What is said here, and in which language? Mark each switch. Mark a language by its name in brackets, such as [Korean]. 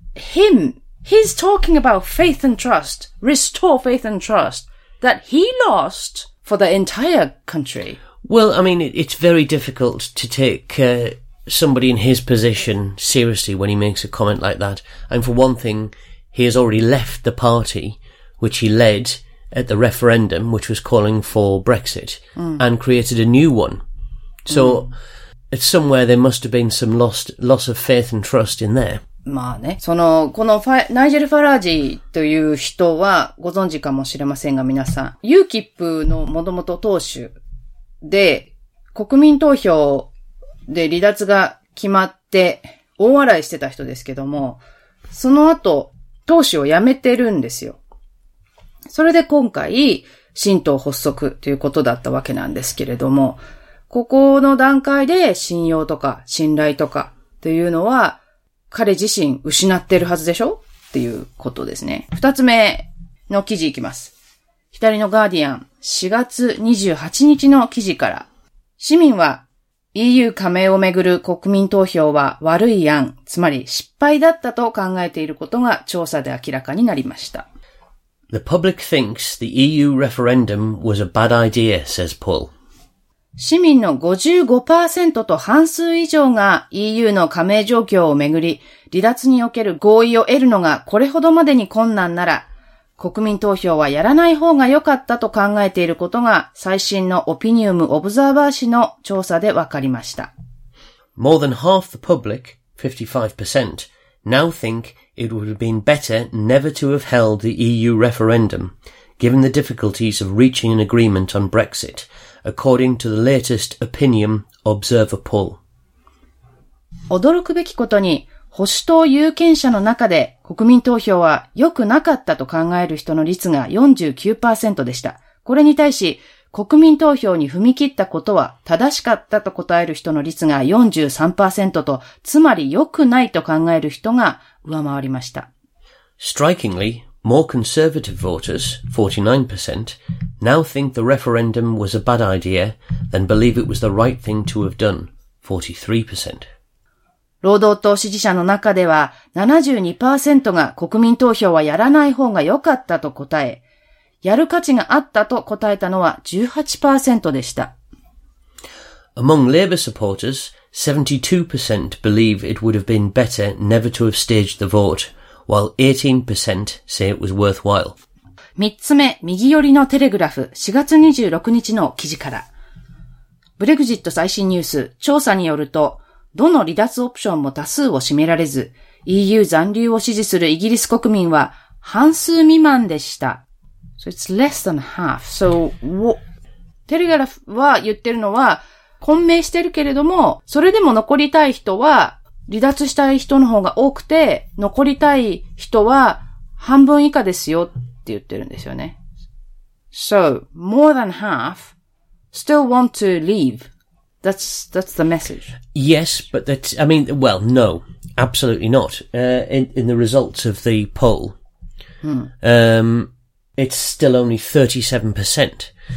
[English] He's talking about faith and trust, restore faith and trust, that he lost for the entire country. Well, I mean, it's very difficult to take, somebody in his position seriously when he makes a comment like that. And for one thing, he has already left the party which he led at the referendum, which was calling for Brexit, and created a new one. So, it's somewhere there must have been some loss of faith and trust in there. [Japanese] まあね、その、このファ、ナイジェル・ファラージという人はご存知かもしれませんが、皆さん、UKIP のもともと党首で、国民投票で離脱が決まって大笑いしてた人ですけども、その後、党首を辞めてるんですよ。それで今回、新党発足ということだったわけなんですけれども、ここの段階で信用とか信頼とかというのは、彼自身失ってるはずでしょ?っていうことですね。二つ目の記事いきます。左のガーディアン、4月28日の記事から。市民は、EU 加盟をめぐる国民投票は悪い案、つまり失敗だったと考えていることが調査で明らかになりました。 [English] The public thinks the EU referendum was a bad idea, says Paul. [Japanese] 市民の 55% と半数以上が EU の加盟状況をめぐり、離脱における合意を得るのがこれほどまでに困難なら、国民投票はやらない方が良かったと考えていることが最新のオピニウム・オブザーバー誌の調査で分かりました。 [English] More than half the public, 55%, now think it would have been better never to have held the EU referendum, given the difficulties of reaching an agreement on Brexit, according to the latest Opinion Observer poll. [Japanese] 驚くべきことに、保守党有権者の中で国民投票は良くなかったと考える人の率が 49% でした。これに対し、国民投票に踏み切ったことは正しかったと答える人の率が 43% と、つまり良くないと考える人が上回りました。 [English] Strikingly, more conservative voters, 49%, now think the referendum was a bad idea than believe it was the right thing to have done, 43%. [Japanese] 労働党支持者の中では 72% が国民投票はやらない方が良かったと答え、やる価値があったと答えたのは 18% でした。 [English] Among Labour supporters, 72% believe it would have been better never to have staged the vote, while 18% say it was worthwhile. [Japanese] 三つ目、右寄りのテレグラフ、4月26日の記事から。ブレグジット最新ニュース、調査によると、どの離脱オプションも多数を占められず、EU 残留を支持するイギリス国民は半数未満でした。 [English] So it's less than half. So, what? [Japanese] テレグラフは言ってるのは混迷してるけれども、それでも残りたい人は離脱したい人の方が多くて、残りたい人は半分以下ですよって言ってるんですよね。 [English] So, more than half still want to leave. That's the message. Yes, but that's, I mean, well, no, absolutely not. In the results of the poll, it's still only 37%.